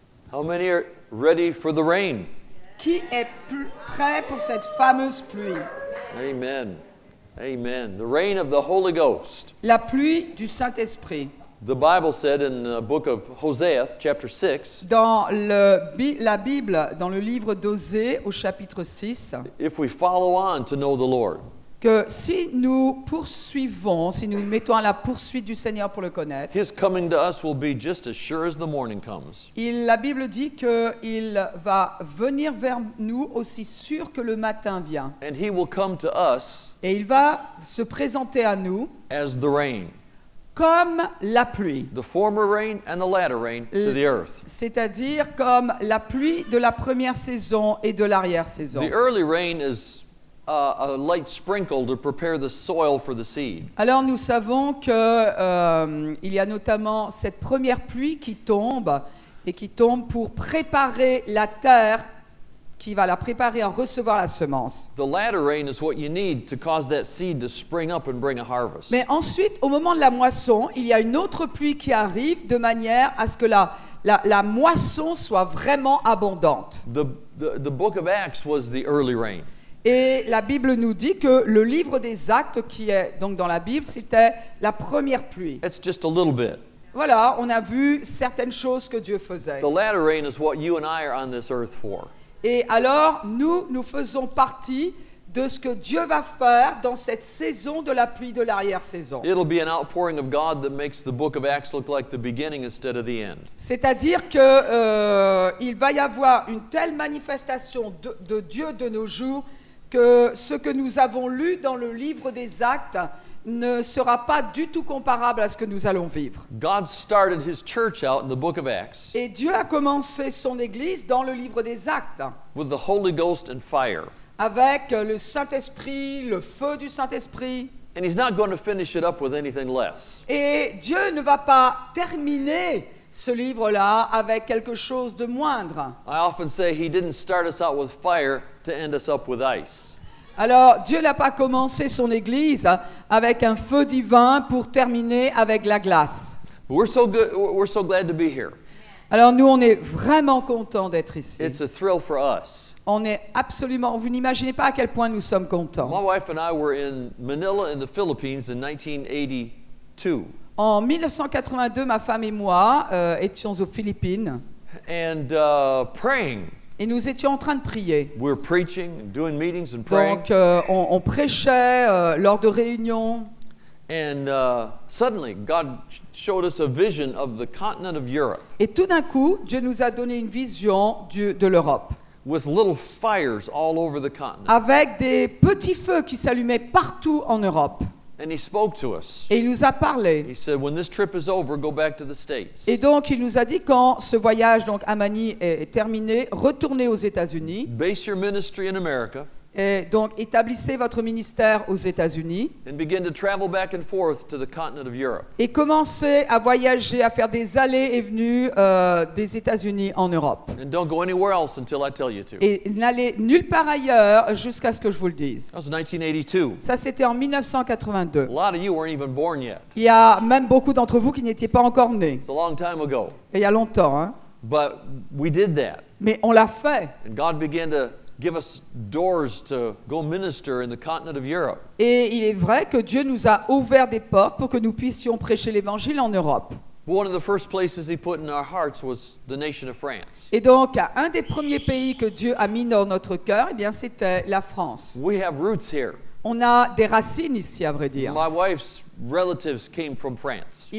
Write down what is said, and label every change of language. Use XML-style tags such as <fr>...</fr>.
<en>How many are ready for the rain?</en> <fr>Qui est prêt pour cette fameuse pluie?</fr> <en>Amen. Amen. The rain of the Holy Ghost.</en> <fr>La pluie du Saint-Esprit.</fr> <en>The Bible said in the book of Hosea, chapter 6.</en> <fr>Dans la Bible, dans le livre d'Osée, au chapitre 6.</fr> <en>If we follow on to know the Lord.</en> <fr>Que si nous poursuivons, si nous mettons à la poursuite du Seigneur pour le connaître.</fr> <en>His coming to us will be just as sure as the morning comes.</en> <fr>La Bible dit qu'il va venir vers nous aussi sûr que le matin vient.</fr> <en>And he will come to us.</en> <fr>Et il va se présenter à nous.</fr> <en>As the rain.</en> <fr>Comme la pluie.</fr> <en>The former rain and the latter rain to the earth.</en> <fr>C'est-à-dire comme la pluie de la première saison et de l'arrière-saison.</fr> <en>The early rain is a light sprinkle to prepare the soil for the seed.</en> <fr>Alors nous savons que il y a notamment cette première pluie qui tombe et qui tombe pour préparer la terre qui va la préparer à recevoir la semence.</fr> <en>The latter rain is what you need to cause that seed to spring up and bring a harvest.</en> <fr>Mais ensuite, au moment de la moisson, il y a une autre pluie qui arrive de manière à ce que la moisson soit vraiment abondante.</fr> <en>The book of Acts was the early rain.</en> <fr>Et la Bible nous dit que le livre des Actes, qui est donc dans la Bible, c'était la première pluie.</fr> <en>It's just a little bit.</en> <fr>Voilà, on a vu certaines choses que Dieu faisait.</fr> <en>The latter rain is what you and I are on this earth for.</en> <fr>Et alors, nous faisons partie de ce que Dieu va faire dans cette saison de la pluie de l'arrière-saison.</fr> <en>It'll be an outpouring of God that makes the book of Acts look like the beginning instead of the end.</en> <fr>C'est-à-dire que il va y avoir une telle manifestation de Dieu de nos jours que ce que nous avons lu dans le livre des Actes ne sera pas du tout comparable à ce que nous allons vivre.</fr> <en>God started his church out in the book of Acts.</en> <fr>Et Dieu a commencé son église dans le livre des Actes.</fr> <en>With the Holy Ghost and fire.</en> <fr>Avec le Saint-Esprit, le feu du Saint-Esprit.</fr> <en>And he's not going to finish it up with anything less.</en> <fr>Et Dieu ne va pas terminer ce livre-là avec quelque chose de moindre.</fr> <en>I often say he didn't start us out with fire to end us up with ice.</en> <fr>Alors, Dieu n'a pas commencé son église avec un feu divin pour terminer avec la glace.</fr> <en>We're so glad to be here.</en> <fr>Alors, nous, on est vraiment contents d'être ici.</fr> <en>It's a thrill for us.</en> <fr>On est absolument, vous n'imaginez pas à quel point nous sommes contents.</fr> <en>My wife and I were in Manila in the Philippines in 1982.</en> <fr>En 1982, ma femme et moi étions aux Philippines.</fr> <en>And praying.</en> <fr>Et nous étions en train de prier.</fr> <en>We're preaching, doing meetings and praying.</en> <fr>Donc on prêchait lors de réunions.</fr> <en>And suddenly God showed us a vision of the continent of Europe.</en> <fr>Et tout d'un coup, Dieu nous a donné une vision de l'Europe.</fr> <en>With little fires all over the continent.</en> <fr>Avec des petits feux qui s'allumaient partout en Europe.</fr> <en>And he spoke to us.</en> <fr>Et il nous a parlé.</fr> <en>He said, "When this trip is over, go back to the States."</en> <fr>Et donc il nous a dit quand ce voyage donc à Manny est terminé, retournez aux États-Unis.</fr> <en>Base your ministry in America.</en> <fr>Et donc établissez votre ministère aux États-Unis.</fr> <en>And begin to travel back and forth to the continent of Europe.</en> <fr>Et commencez à voyager, à faire des allées et venues des États-Unis en Europe.</fr> <en>And don't go anywhere else until I tell you to.</en> <fr>Et n'allez nulle part ailleurs jusqu'à ce que je vous le dise.</fr> <en>That was 1982.</en> <fr>Ça c'était en 1982.</fr> <en>A lot of you weren't even born yet.</en> <fr>Il y a même beaucoup d'entre vous qui n'étiez pas encore nés.</fr> <en>It's a long time ago.</en> <fr>Et il y a longtemps, hein.</fr> <en>But we did that.</en> <fr>Mais on l'a fait.</fr> <en>And God began to give us doors to go minister in the continent of Europe.</en> <fr>Et il est vrai que Dieu nous a ouvert des portes pour que nous puissions prêcher l'évangile en Europe.</fr> <en>One of the first places he put in our hearts was the nation of France.</en> <fr>Et donc un des premiers pays que Dieu a mis dans notre cœur, eh bien c'était la France.</fr> <en>We have roots here.</en> <fr>On a des racines ici à vrai dire.</fr> <en>My wife's relatives came from France.</en>